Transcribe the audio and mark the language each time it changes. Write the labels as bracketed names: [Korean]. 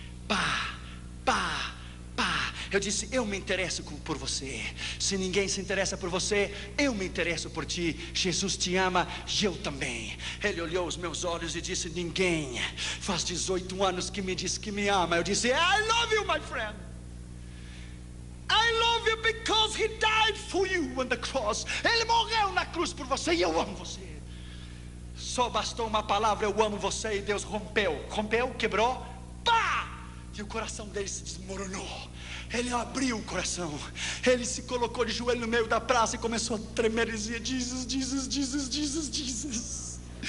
[Portuguese] Pá, pá, pá. Eu disse: eu me interesso por você. Se ninguém se interessa por você, eu me interesso por ti. Jesus te ama, eu também. Ele olhou os meus olhos e disse: ninguém faz 18 anos que me diz que me ama. Eu disse: [English] I love you, my friend. I love you because he died for you on the cross. [Portuguese] Ele morreu na cruz por você e eu amo você. Só bastou uma palavra: eu amo você, e Deus rompeu. Rompeu, quebrou, pá! E o coração dele se desmoronou. Ele abriu o coração. Ele se colocou de joelho no meio da praça e começou a tremer e dizia: Jesus, Jesus, Jesus, Jesus, Jesus.